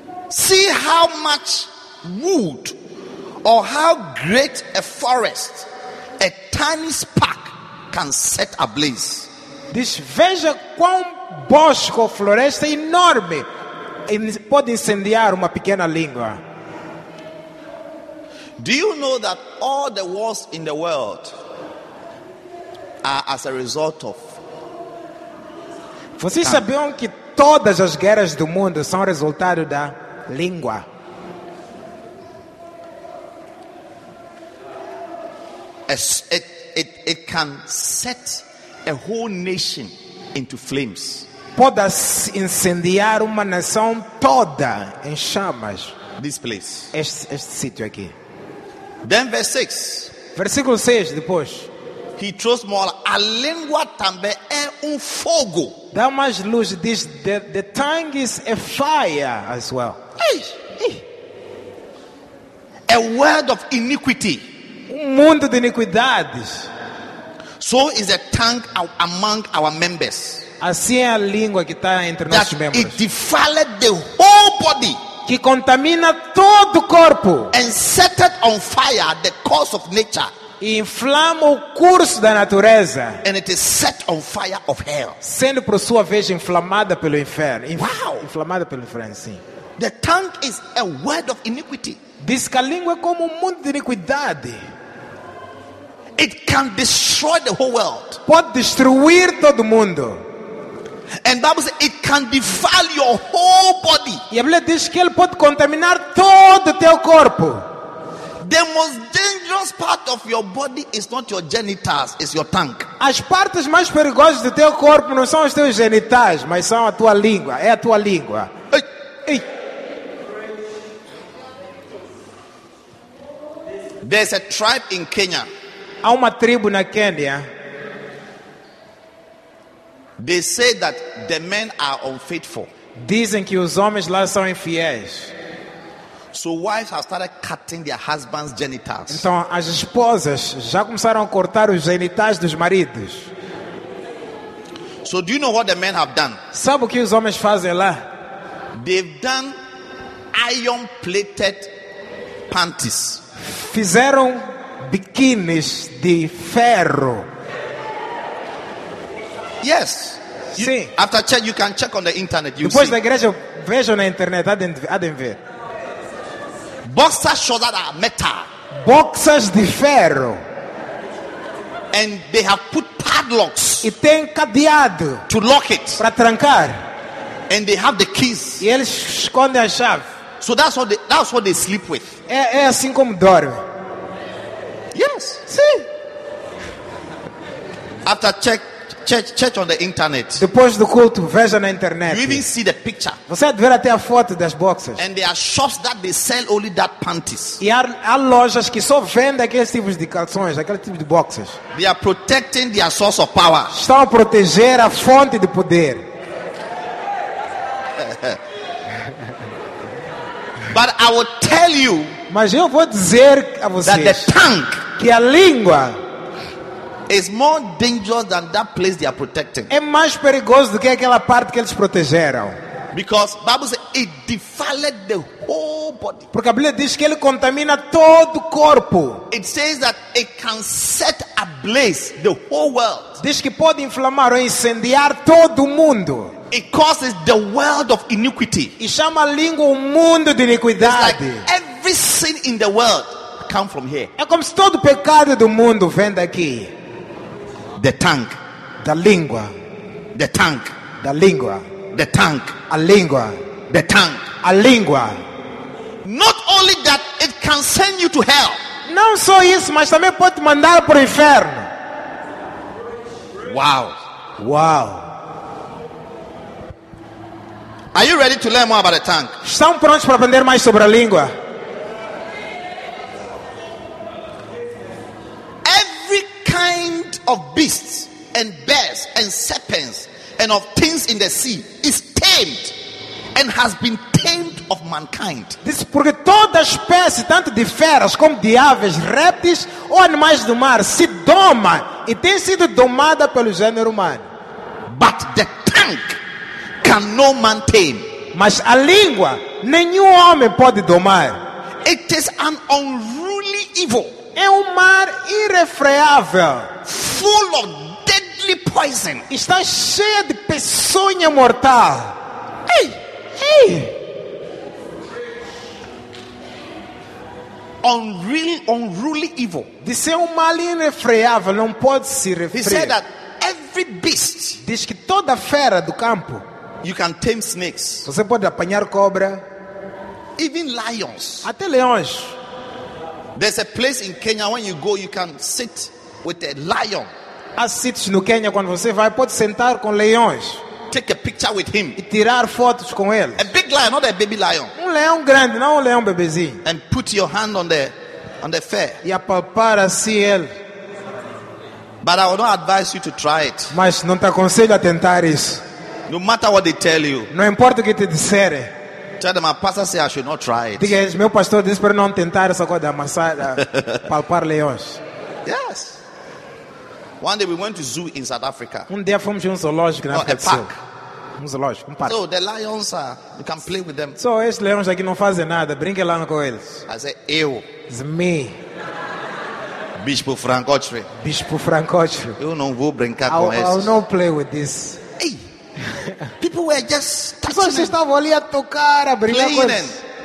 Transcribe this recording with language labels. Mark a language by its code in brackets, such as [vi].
[en] See how much wood or how great a forest a tiny spark can set ablaze. [pt] Diz, veja quão bosque ou floresta enorme pode incendiar uma pequena língua. [en] Do you know that all the wars in the world are as a result of? [pt] Vocês sabiam que todas as guerras do mundo são resultado da língua? [en] It can set a whole nation into flames. [pt] Pode incendiar uma nação toda em chamas. [en] This place. [pt] Este sítio aqui. [en] Then verse 6. [pt] Versículo 6, depois. [en] He throws more. [pt] A língua também é fogo. Dá mais luz. [en] Diz, the tongue is a fire as well. Hey. A world of iniquity. [pt] Mundo de iniquidades. [en] So is a tongue among our members. [pt] Assim é a língua que está entre nossos membros. [en] It defiled the whole body. [pt] Que contamina todo o corpo. [en] And set it on fire the course of nature. [pt] E inflama o curso da natureza. [en] And it is set on fire of hell. [pt] Sendo por sua vez inflamada pelo inferno. [en] Wow. [pt] Inflamada pelo inferno, sim. [en] The tongue is a word of iniquity. [pt] Diz que a língua é como mundo de iniquidade. [en] It can destroy the whole world. [pt] Pode destruir todo mundo. [en] And Bible says it can defile your whole body. [pt] E a Bíblia diz que ele pode contaminar todo teu corpo. [en] The most dangerous part of your body is not your genitals, it's your tongue. [pt] As partes mais perigosas do teu corpo não são os teus genitais, mas são a tua língua. É a tua língua. [en] Hey. There's a tribe in Kenya. [pt] Há uma tribo na Quênia. [en] They say that the men are unfaithful. [pt] Dizem que os homens lá são infiéis. [en] So wives have started cutting their husbands' genitals. [pt] Então as esposas já começaram a cortar os genitais dos maridos. [en] So do you know what the men have done? [pt] Sabe o que os homens fazem lá? [en] They've done iron-plated panties. [pt] Fizeram biquínis de ferro. [en] Yes. [pt] Sim. [en] After church, you can check on the internet. [pt] Depois [en] see. [pt] Da igreja, vejam na internet. Adem ver. [en] Boxers that are metal. [pt] Boxers de ferro. [en] And they have put padlocks. [pt] E tem cadeado. [en] To lock it. [pt] Para trancar. [en] And they have the keys. [pt] E eles escondem a chave. [en] So that's what they sleep with. [pt] É assim como dorme. [en] Yes. [pt] Sim. [en] After church on the internet. [pt] Depois do culto, veja na internet. [en] You even see the picture. [pt] Você pode ver até a foto das boxers. [en] And there are shops that they sell only that panties. [pt] E há lojas que só vendem aqueles tipos de calções, aquele tipo de boxers. [en] They are protecting their source of power. [pt] Estão a proteger a fonte de poder. [en] But I will tell you. [pt] Mas eu vou dizer a vocês. [en] That the tongue. [pt] Que a língua. [en] Is more dangerous than that place they are protecting. [pt] É mais perigoso do que aquela parte que eles protegeram. [en] Because Bible says it defiled the whole body. [pt] Porque a Bíblia diz que ele contamina todo o corpo. [en] It says that it can set ablaze the whole world. [pt] Diz que pode inflamar ou incendiar todo o mundo. [en] It causes the world of iniquity. [pt] E chama a língua o mundo de iniquidade. [en] It's like every sin in the world comes from here. [pt] É como se todo pecado do mundo vem daqui. [en] The tongue, [pt] da língua. [en] The tongue, [pt] da língua. [en] The tongue, [pt] a língua. [en] the tongue. [pt] A língua. [en] Not only that, it can send you to hell. [pt] Não só isso, mas também pode te mandar para o inferno. [en] Wow. Wow. Are you ready to learn more about the tongue? [pt] Estão prontos para aprender mais sobre a língua? [en] Every kind of beasts and bears and serpents and of things in the sea is tamed and has been tamed of mankind. [pt] Diz porque toda espécie, tanto de feras como de aves, répteis ou animais do mar, se doma e tem sido domada pelo gênero humano. [en] But the tongue can no man tame. [pt] Mas a língua nenhum homem pode domar. [en] It is an unruly evil. [pt] É um mar irrefreável. [en] Full of deadly poison. [pt] Está cheia de peçonha mortal. [en] Hey, hey. Unruly evil. [pt] Diz é um mal irrefreável, não pode se refrear. [en] He said that every beast. [pt] Diz que toda fera do campo. [en] You can tame snakes. [pt] Você pode apanhar cobra. [en] Even lions. [pt] Até leões. [en] There's a place in Kenya when you go, you can sit with a lion. [pt] Há sítios no Kenya quando você vai, pode sentar com leões. [en] Take a picture with him. [pt] E tirar fotos com ele. [en] A big lion, not a baby lion. [pt] Um leão grande, não um leão bebezinho. [en] And put your hand on the fur. [pt] E apalpar assim ele. [en] But I will not advise you to try it. [pt] Mas não te aconselho a tentar isso. [en] No matter what they tell you. [pt] Não importa o que te disserem. [en] Tell them, my pastor say I should not try it. [pt] Diga, meu pastor disse para não tentar essa coisa de amassar, palpar leões. [en] Yes. One day we went to zoo in South Africa. [pt] Um dia fomos a um zoológico na África. Um zoológico, um parque. [en] So the lions are, you can play with them. [pt] So esses leões aqui não fazem nada, brinque lá com eles. [en] I say, eu. It's me. [pt] Bispo Frank Autry. Bispo Frank Autry. Eu não vou brincar com esses. [en] I'll not play with this. Hey. People were just touching. [pt] Vocês estavam ali a tocar, a brincar com eles.